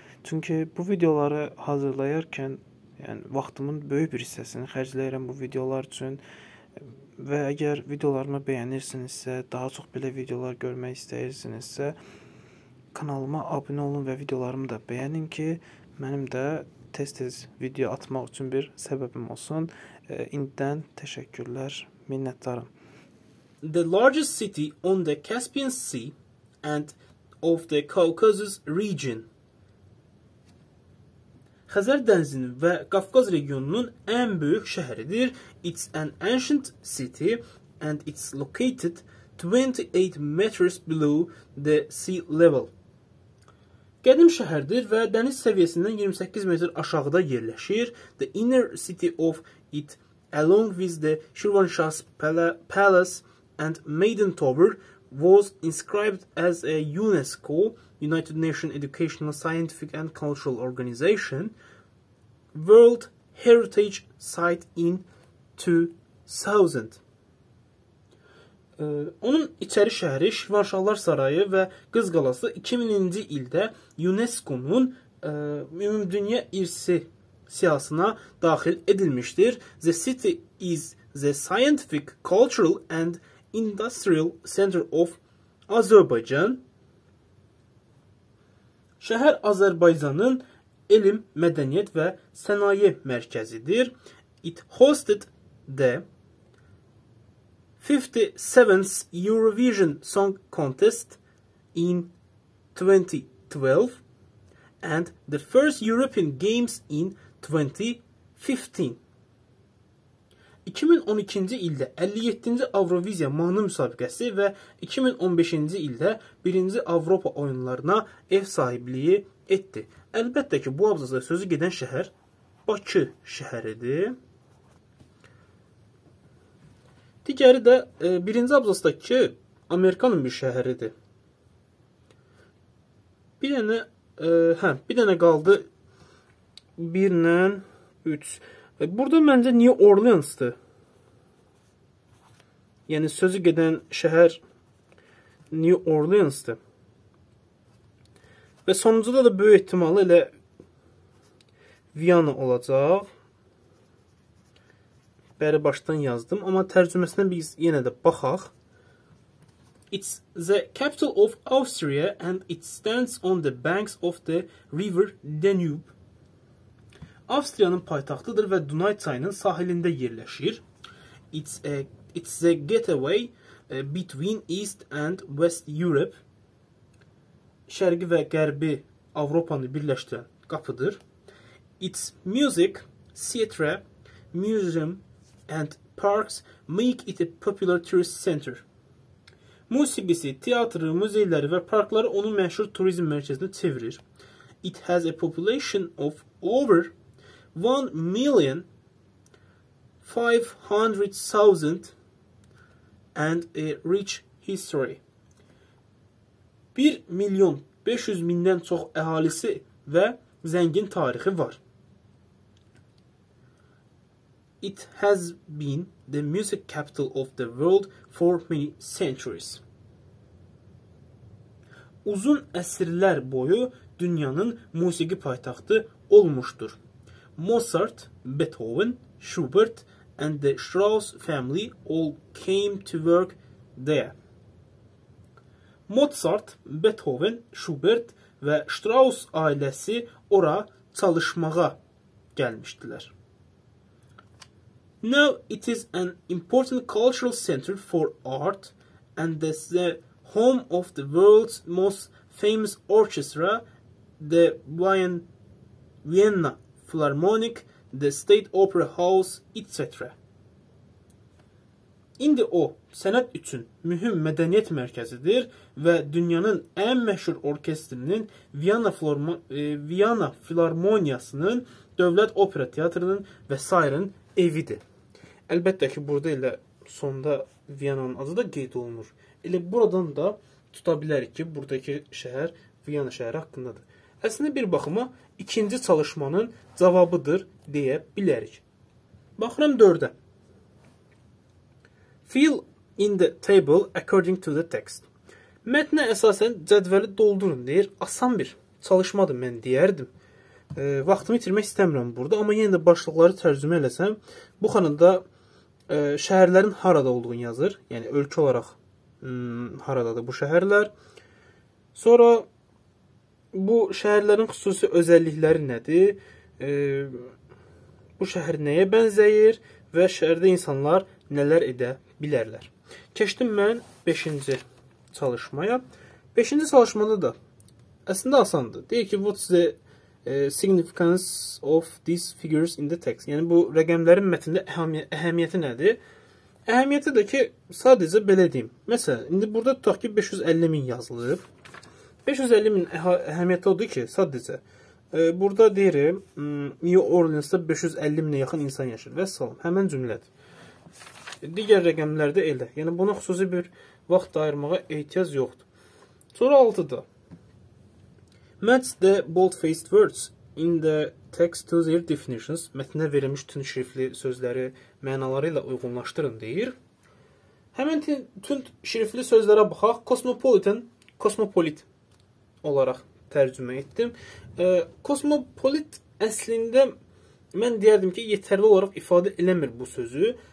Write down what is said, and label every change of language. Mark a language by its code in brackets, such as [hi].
[az] Çünki bu videoları hazırlayarkən, yəni vaxtımın böyük bir hissəsini xərcləyirəm bu videolar üçün və əgər videolarımı bəyənirsinizsə, daha çox belə videolar görmək istəyirsinizsə, kanalıma abunə olun və videolarımı da bəyənin ki, mənim də tez-tez video atmaq üçün bir səbəbim olsun. İndidən təşəkkürlər, minnətdarım. [en] The largest city on the Caspian Sea and of the Caucasus region. [az] Xəzər dənizinin və Qafqaz regionunun ən böyük şəhəridir. [en] It's an ancient city and it's located 28 meters below the sea level. [az] Qədim şəhərdir və dəniz səviyyəsindən 28 metr aşağıda yerləşir. [en] The inner city of it along with the Şirvanşah's palace and Maiden Tower was inscribed as a UNESCO, United Nations Educational, Scientific and Cultural Organization, World Heritage Site in 2000. [az] Onun içəri şəhəri Şirvanşahlar Sarayı və Qız Qalası 2000-ci ildə UNESCO-nun Ümumdünya İrsi siyahısına daxil edilmişdir. [en] The city is the scientific, cultural and industrial center of Azerbaijan. [az] Şəhər Azərbaycanın elm, mədəniyyət və sənaye mərkəzidir. [en] It hosted the 57th Eurovision Song Contest in 2012 and the first European Games in 2015. [az] 2012-ci ildə 57-ci Avroviziya mahnı müsabiqəsi və 2015-ci ildə 1-ci Avropa oyunlarına ev sahibliyi etdi. Əlbəttə ki, bu abzasa sözü gedən şəhər Bakı şəhəridir. Digəri də birinci abzasdakı Amerikanın bir şəhəridir. Bir dənə qaldı. 1 ilə 3. Burada məncə niyə Orleans-dır? Yəni sözü gedən şəhər New Orleans-dır. Və sonuncuda da böyük ehtimalı elə Viyana olacaq. Bəri başdan yazdım, amma tərcüməsinə biz yenə də baxaq. [en] It's the capital of Austria and it stands on the banks of the River Danube. [az] Avstriyanın paytaxtıdır və Dunay çayının sahilində yerləşir. [en] It's a getaway between East and West Europe. [az] Şərqi və qərbi Avropanı birləşdirən qapıdır. [en] Its music, theatre, museum and parks make it a popular tourist center. [az] Musiqisi, teatrı, muzeyləri və parkları onu məşhur turizm mərkəzinə çevirir. [en] It has a population of over 1,500,000 and a rich history. [az] 1,500,000-dən çox əhalisi və zəngin tarixi var. [en] It has been the music capital of the world for many centuries. [az] Uzun əsrlər boyu dünyanın musiqi paytaxtı olmuşdur. [en] Mozart, Beethoven, Schubert and the Strauss family all came to work there. [az] Mozart, Beethoven, Schubert və Strauss ailəsi ora çalışmağa gəlmişdilər. [en] Now it is an important cultural center for art and the home of the world's most famous orchestra, the Vienna Philharmonic, the State Opera House, etc. [az] İndi o, sənət üçün mühüm mədəniyyət mərkəzidir və dünyanın ən məşhur orkestrinin Vienna Filarmoniyasının, Dövlət Opera Teatrının və s. evidir. Əlbəttə ki, burada elə sonda Viyananın adı da qeyd olunur. Elə buradan da tuta bilərik ki, buradakı şəhər Viyana şəhəri haqqındadır. Əslində, bir baxıma ikinci çalışmanın cavabıdır deyə bilərik. Baxıram 4-də. [en] Fill in the table according to the text. [az] Mətnə əsasən cədvəli doldurun deyir. Asan bir çalışmadır mən deyərdim. Vaxtımı itirmək istəmirəm burada, amma yenə də başlıqları tərcümə eləsəm, bu xanada şəhərlərin harada olduğunu yazır. Yəni, ölkə olaraq haradadır bu şəhərlər. Sonra bu şəhərlərin xüsusi özəllikləri nədir? Bu şəhər nəyə bənzəyir? Və şəhərdə insanlar nələr edə bilərlər? Keçdim mən 5-ci çalışmaya. 5-ci çalışmada da əslində asandır. Deyir ki, [en] what's the significance of these figures in the text? [az] Yəni, bu rəqəmlərin mətnində əhəmiyyəti nədir? Əhəmiyyəti də ki, sadəcə belə deyim. Məsələn, indi burada tutaq ki, 550 min yazılıb. 550 min əhəmiyyəti odur ki, sadəcə. Burada deyirəm, New Orleans-da 550 minə yaxın insan yaşayır. Və salam, həmən cümlədir. Digər rəqəmlərdə elə. Yəni, buna xüsusi bir vaxt ayırmağa ehtiyac yoxdur. Sonra 6-da. [en] Match the bold-faced words in the text to their definitions. [az] Mətnə verilmiş tün şrifli sözləri mənaları ilə uyğunlaşdırın, deyir. Həmin tün şrifli sözlərə baxaq. Cosmopolitan, kosmopolit olaraq tərcümə etdim. Kosmopolit əslində mən deyərdim ki, yetərli olaraq ifadə eləmir bu sözü.